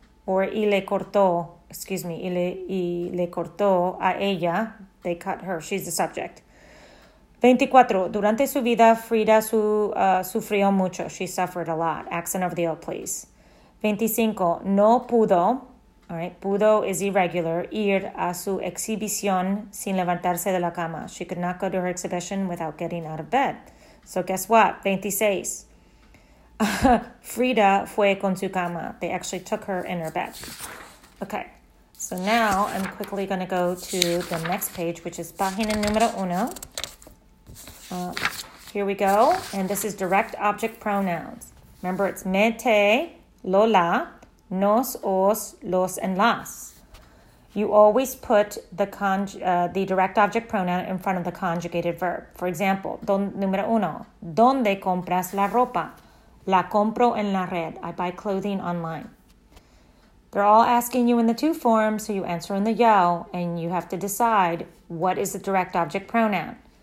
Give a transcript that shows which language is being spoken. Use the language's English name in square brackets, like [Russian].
[Spanish] Y le cortó a ella, [English] They cut her. She's the subject. 24. [Spanish] Durante su vida, Frida sufrió mucho. [English] She suffered a lot. Accent of the O, please. 25. [Spanish] No pudo. [English] All right. Pudo is irregular. [Spanish] Ir a su exhibición sin levantarse de la cama. [English] She could not go to her exhibition without getting out of bed. So guess what? 26. [Spanish] Frida fue con su cama. [English] They actually took her in her bed. Okay. So now I'm quickly going to go to the next page, which is [Spanish] página número uno. [English] Here we go. And this is direct object pronouns. Remember, it's me, te, lo, la, nos, os, los, and las. You always put the direct object pronoun in front of the conjugated verb. For example, [Spanish] número uno, ¿dónde compras la ropa? La compro en la red. [English] I buy clothing online. They're all asking you in the to form, so you answer in the yo, and you have to decide what is the direct object pronoun.